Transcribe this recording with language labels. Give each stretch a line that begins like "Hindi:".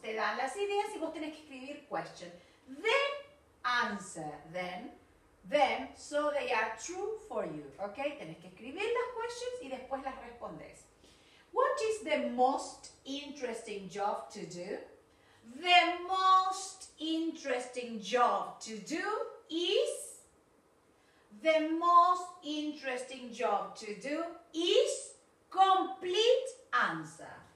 Spanish: Te dan las ideas y vos tenés que escribir question.
English: Then answer them so they are true for you.
Spanish: Ok, tenés que escribir las questions y después las respondés.
English: What is the most interesting job to do? The most interesting job to do is... The most interesting job to do is... Complete answer.